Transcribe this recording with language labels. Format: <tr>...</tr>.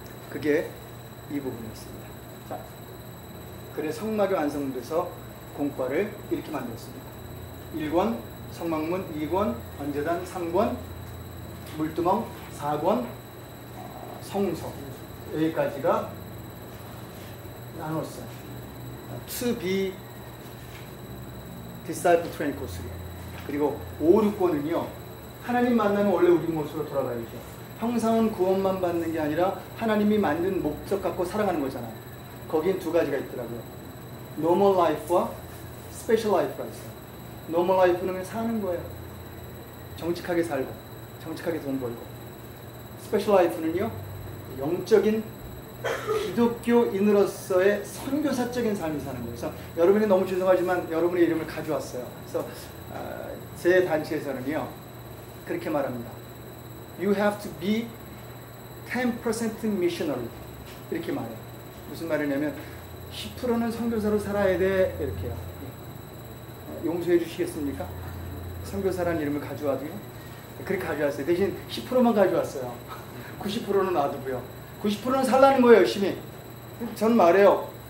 <ko>그게 이 부분이었습니다. 자, 그래 성막이 완성돼서 공과를 이렇게 만들었습니다. 1권 성막문, 2권 번제단, 3권 물두멍, 4권 성소. 여기까지가 나눴어요.</ko> <en>To be disciple training course.</en> <ko>그리고 5, 6권은요 하나님 만나면 원래 우리 모습으로 돌아가야죠. 형상은 구원만 받는 게 아니라 하나님이 만든 목적 갖고 살아가는 거잖아요. 거긴 두 가지가 있더라고요. Normal life와 스페셜 라이프가 있어요. 노멀 라이프는 사는 거예요. 정직하게 살고, 정직하게 돈 벌고. 스페셜 라이프는요, 영적인 기독교인으로서의 선교사적인 삶을 사는 거예요. 그래서 여러분이 너무 죄송하지만 여러분의 이름을 가져왔어요. 그래서 제 단체에서는요, 그렇게 말합니다.</ko> <en>You have to be 10% missionary.</en> <ko>이렇게 말해요. 무슨 말이냐면 10%는 선교사로 살아야 돼. 이렇게요. 용서해 주시겠습니까? 선교사라는 이름을 가져와도요? 그렇게 가져왔어요. 대신 10%만 가져왔어요. 90%는 놔두고요. 90%는 살라는 거예요. 열심히. 전 말해요.</ko>